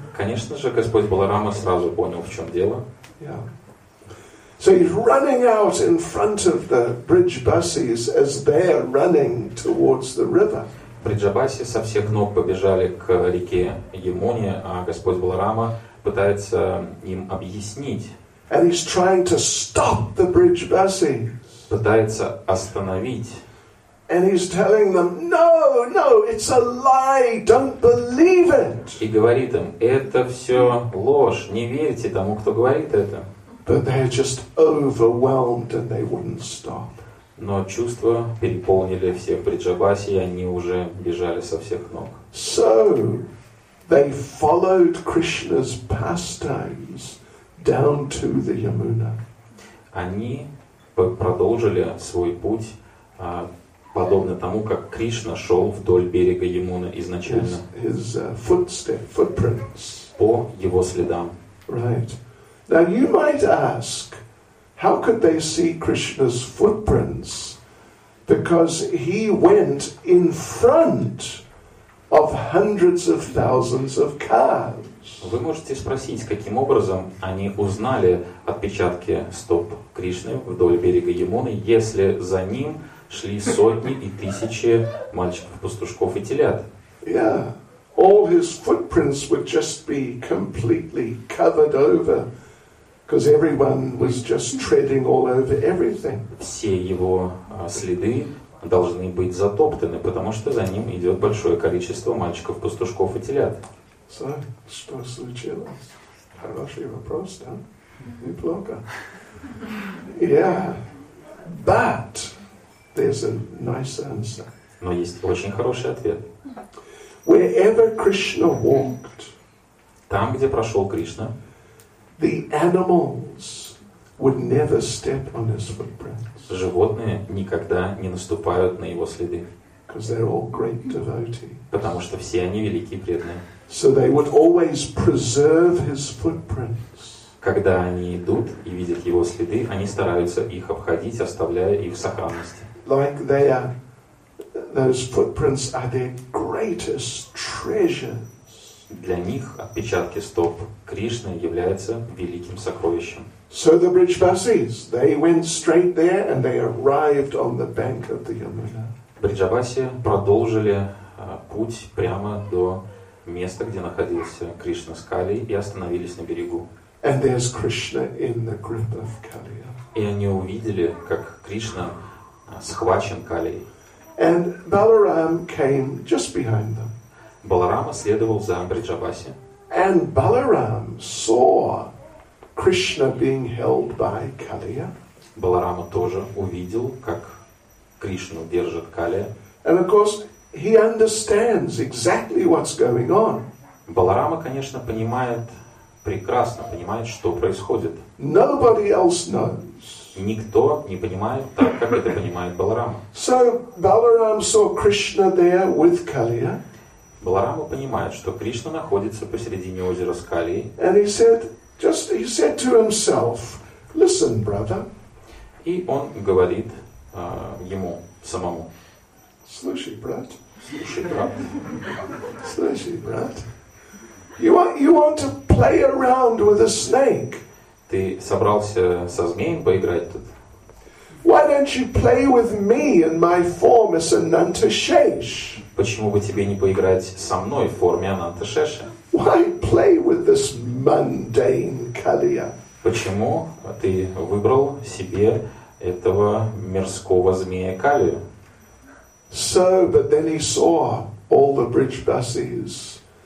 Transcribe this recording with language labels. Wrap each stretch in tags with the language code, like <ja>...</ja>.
<ru>Конечно же, Господь Баларама сразу понял, в чем дело.</ru> <en>So he's running out in front of the Briджабасис as they're running towards the river.</en> <ru>Бриджабаси со всех ног побежали к реке Ямуне, а Господь Баларама пытается им объяснить.</ru> <en>And he's trying to stop the Briджабасис.</en> <ru>Пытается остановить.</ru> <en>And he's telling them, no, no, it's a lie, don't believe it.</en> <ru>И говорит им, это все ложь, не верьте тому, кто говорит это.</ru> <en>But they're just overwhelmed and they wouldn't stop.</en> <ru>Но чувства переполнили всех Бриджабаси, и они уже бежали со всех ног.</ru> <en>So, they followed Krishna's pastimes down to the Yamuna.</en> <ru>Они продолжили свой путь, подобно тому, как Кришна шел вдоль берега Ямуны изначально.</ru> <en>His footprints.</en> <ru>По его следам.</ru> <en>Right. Now you might ask, how could they see Krishna's footprints? Because he went in front of hundreds of thousands of cars.</en> <ru>Вы можете спросить, каким образом они узнали отпечатки стоп Кришны вдоль берега Ямуны, если за ним шли сотни и тысячи мальчиков, пастушков и телят.</ru> <en>Yeah. All his footprints would just be completely covered over Because everyone was just treading all over everything.</en> <ru>Все его следы должны быть затоптаны, потому что за ним идет большое количество мальчиков, пастушков и телят. So, что случилось? Хороший вопрос, да? Неплохо.</ru> <en>Yeah, but there's a nice answer.</en> <ru>Но есть очень хороший ответ.</ru> <en>Wherever Krishna walked,</en> <ru>там, где прошел Кришна,</ru> <en>the animals would never step on his footprints.</en> <ru>Животные никогда не наступают на его следы.</ru> <en>Because they're all great devotees.</en> <ru>Потому что все они великие преданные.</ru> <en>So they would always preserve his footprints.</en> <ru>Когда они идут и видят его следы, они стараются их обходить, оставляя их в сохранности.</ru> <en>Like they are, those footprints are their greatest treasures.</en> <ru>Для них отпечатки стоп Кришны являются великим сокровищем.</ru> <en>So the Brijavasis, they went straight there and they arrived on the bank of the Yamuna.</en> <ru>Бриджаваси продолжили путь прямо до места, где находился Кришна с Кали, и остановились на берегу.</ru> <en>And there's Krishna in the grip of Kaliya.</en> <ru>И они увидели, как Кришна схвачен Калией.</ru> <en>And Balaram came just behind them.</en> <ru>Баларама следовал за Бриджаваси.</ru> <en>And Balaram saw Krishna being held by Kaliya.</en> <ru>Баларама тоже увидел, как Кришну держит Калия.</ru> <en>And of course, he understands exactly what's going on.</en> <ru>Баларама, конечно, понимает, прекрасно понимает, что происходит.</ru> <en>Nobody else knows.</en> <ru>Никто не понимает так, как это понимает Баларама.</ru> <en>So Balaram saw Krishna there with Kaliya.</en> <ru>Баларама понимает, что Кришна находится посередине озера с Калией.</ru> <en>And he said, just he said to himself, listen, brother.</en> <ru>И он говорит ему самому. Слушай, брат. Слушай, брат. Слушай, брат.</ru> <en>You want to play around with a snake?</en> <ru>Ты собрался со змеем поиграть тут?</ru> <en>Why don't you play with me in my form as Anantashesh?</en> <ru>Почему бы тебе не поиграть со мной в форме Ананташеши?</ru> <en>Why play with this mundane Kaliya?</en> <ru>Почему ты выбрал себе этого мирского змея Калию?</ru> <en>So, but then he saw all the Brijavasis.</en>